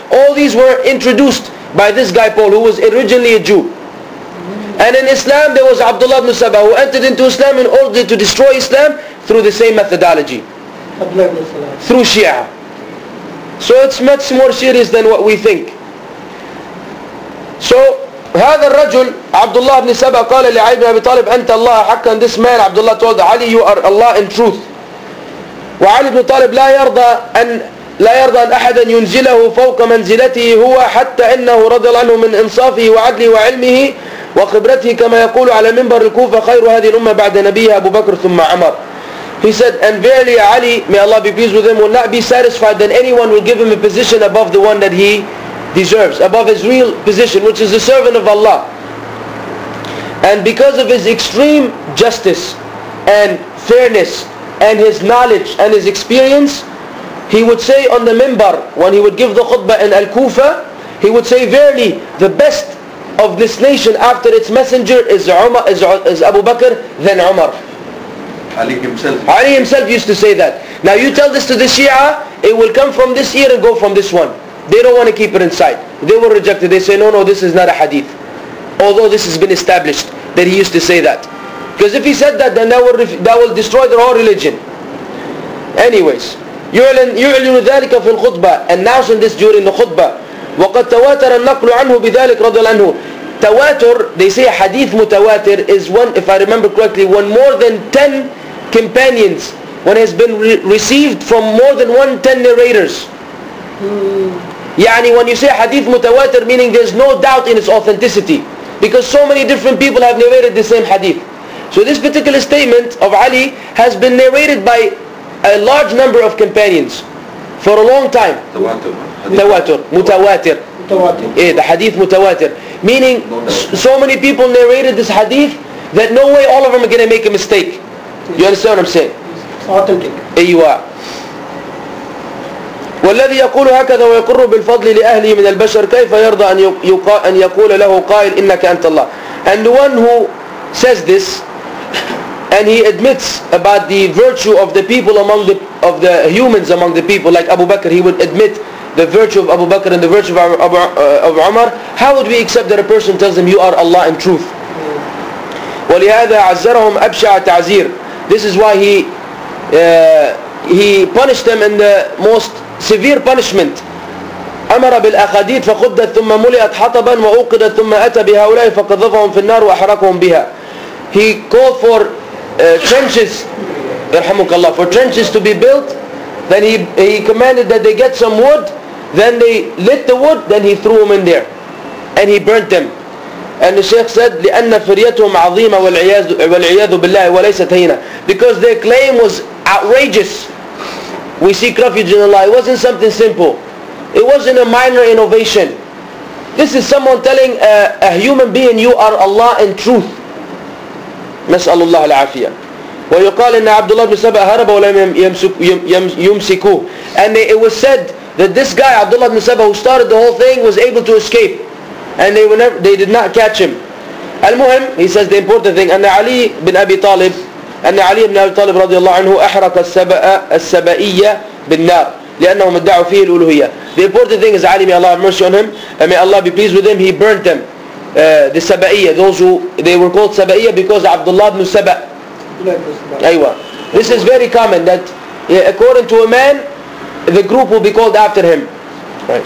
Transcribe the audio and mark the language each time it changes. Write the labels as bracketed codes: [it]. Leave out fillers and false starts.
[en] All these were introduced by this guy Paul, who was originally a Jew. And in Islam, there was Abdullah ibn Sabah, who entered into Islam in order to destroy Islam through the same methodology. Through Shia. So it's much more serious than what we think. [ar] So, هذا الرجل عبد الله بن سبأ قال لعلي بن أبي طالب أنت الله حقا. [en] This man عبد الله told Ali, you are Allah in truth. [ar] وعلي بن طالب لا يرضى أن أحدا ينزله فوق منزلته هو حتى إنه رضي الله عنه من إنصافه وعدله وعلمه وخبرته كما يقول على منبر الكوفة خير هذه الأمة بعد نبيها أبو بكر ثم عمر. [en] He said, and verily Ali, may Allah be pleased with him, will not be satisfied that anyone will give him a position above the one that he deserves, above his real position, which is the servant of Allah. And because of his extreme justice and fairness and his knowledge and his experience, he would say on the minbar, when he would give the khutbah in Al-Kufa, he would say, verily, the best of this nation after its messenger is Umar, is Abu Bakr, then Umar. Ali himself used to say that. Now you tell this to the Shia, it will come from this ear and go from this one. They don't want to keep it inside. They will reject it. They say, no, this is not a hadith. Although this has been established that he used to say that. Because if he said that, then that will destroy their whole religion. Anyways, [ar] يُعلن ذلك في الخطبة, [en] announcing this during the khutbah. [ar] وقد تواتر النقل عنه بذلك رضي الله عنه. [en] Tawatur, they say a hadith mutawatir is one, if I remember correctly, one more than 10 companions, one has been received from more than 10 narrators. يعني when you say hadith mutawatir, meaning there's no doubt in its authenticity, because so many different people have narrated the same hadith. So this particular statement of Ali has been narrated by a large number of companions for a long time. Tawatur, mutawatir. Mutawatir. The hadith mutawatir. Meaning, so many people narrated this hadith that no way all of them are going to make a mistake. You understand what I'm saying? Authentic. [ar] أيوة. والذي يقول هكذا ويقر بالفضل لأهله من البشر كيف يرضى أن يقول له قائل إنك أنت الله. [en] And the one who says this and he admits about the virtue of the people among the of the humans among the people like Abu Bakr, he would admit the virtue of Abu Bakr and the virtue of Umar, how would we accept that a person tells them you are Allah in truth? [ar] ولهذا عزرهم أبشع تعزير. [en] This is why he punished them in the most severe punishment. [ar] أمر بالأخاديد فخدت ثم ملئت حطبا وأوقدت ثم أتى بهؤلاء فقذفهم في النار وأحرقهم بها. [en] He called for trenches, [ar] يرحمك الله, [en] for trenches to be built. Then he commanded that they get some wood. Then they lit the wood, then he threw them in there. And he burnt them. And the Shaykh said, [ar] لِأَنَّ فِرْيَتُهُمْ عَظِيمَ وَالْعِيَاذُ بِاللَّهِ وَلَيْسَتْ هَيْنًا. [en] Because their claim was outrageous. We seek refuge in Allah. It wasn't something simple. It wasn't a minor innovation. This is someone telling a human being, you are Allah in truth. [ar] نسأل الله العافية. ويقال إن عبد الله بن سبأ هرب ولم يمسكوه. [en] And it was said that this guy Abdullah ibn Sabah, who started the whole thing, was able to escape, and they did not catch him. [ar] المهم, [en] he says the important thing, [ar] أن علي بن أبي طالب, أن علي بن أبي طالب رضي الله عنه أحرق السبائية بالنار لأنهم ادعوا فيه الألوهية. [en] The important thing is Ali, may Allah have mercy on him, and may Allah be pleased with him, he burnt them, the Sabaiyya, those who they were called Sabaiyya because Abdullah ibn Sabah. Aywa. This is very common that according to a man, the group will be called after him. Right.